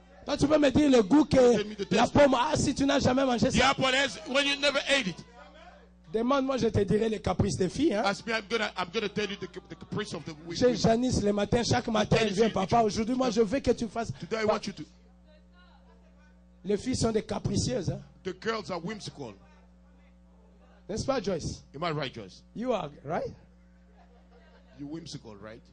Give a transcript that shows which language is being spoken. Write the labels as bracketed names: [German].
[French] Toi, tu peux me dire le goût que la pomme a si tu n'as jamais mangé ça. [English] The apple has when you never ate it. [French] Demande-moi, je te dirai les caprices des filles. Hein? [English] Ask me, I'm gonna tell you the caprice of the women. [French] J'ai Janice le matin, chaque matin, elle vient, papa. Aujourd'hui, moi, je veux que tu fasses. [English] Today, I want you to. [French] Les filles sont des capricieuses. Hein? [English] The girls are whimsical. [French] N'est-ce pas, Joyce? [English] Am I right, Joyce? You are right. You're whimsical, right?